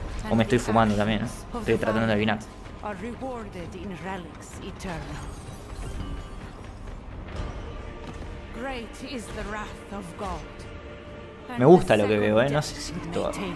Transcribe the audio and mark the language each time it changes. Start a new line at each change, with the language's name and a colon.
Spanish: O me estoy fumando también, ¿no? Estoy tratando de adivinar.
English: Are rewarded in relics eternal. Great is the wrath of God.
Spanish: Me gusta lo que veo, no sé si todo.